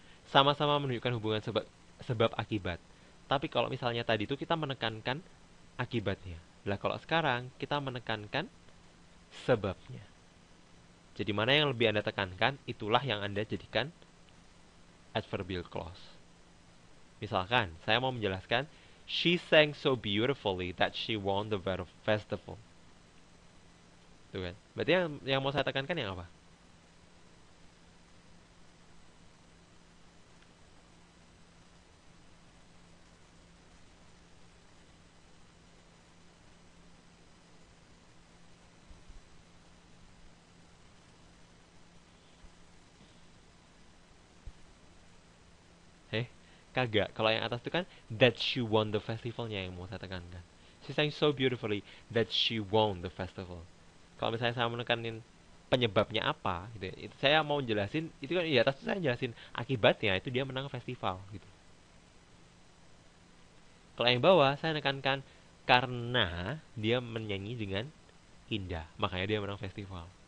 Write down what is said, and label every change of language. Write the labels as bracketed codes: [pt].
[id] Sama-sama menunjukkan hubungan sebab akibat. Tapi kalau misalnya tadi itu kita menekankan akibatnya. Lah, kalau sekarang kita menekankan sebabnya. Jadi mana yang lebih Anda tekankan, itulah yang Anda jadikan adverbial clause. Misalkan, saya mau menjelaskan, [en] she sang so beautifully that she won the festival. [id] Tuh kan? Berarti yang mau saya tekankan yang apa? Kagak, kalau yang atas itu kan [en] that she won the festivalnya [id] yang mau saya tekankan. [en] She sang so beautifully that she won the festival. [id] Kalau misalnya saya menekanin penyebabnya apa, gitu, itu saya mau jelasin itu kan di atas itu saya jelasin akibatnya itu dia menang festival, gitu. Kalau yang bawah saya menekankan karena dia menyanyi dengan indah, makanya dia menang festival.